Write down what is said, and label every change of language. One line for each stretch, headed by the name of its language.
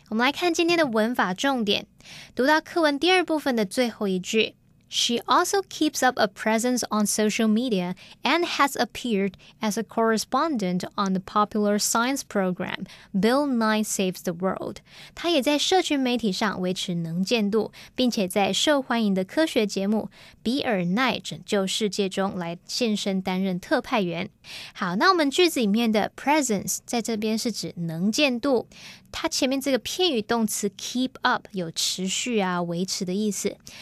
Chinese: 我们来看今天的文法重点，读到课文第二部分的最后一句。
English: She also keeps up a presence on social media and has appeared as a correspondent on the popular science program Bill Nye Saves the World.
Chinese: 她也在社群媒体上维持能见度，并且在受欢迎的科学节目《比尔奈拯救世界》中来现身担任特派员。好，那我们句子里面的 presence 在这边是指能见度，它前面这个片语动词 keep up 有持续啊、维持的意思。